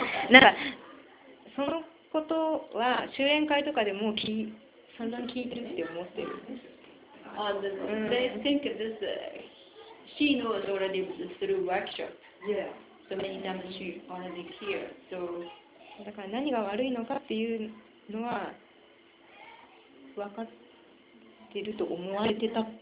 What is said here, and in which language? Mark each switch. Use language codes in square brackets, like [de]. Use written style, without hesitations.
[ja] なんかそのことは修練会とかでもう散々聞いてるって思ってる。 [en] They think this she knows already through workshop. Yeah. So many times she already hear. So [ja] だから何が悪いのかっていうのは。分かってると思われてた。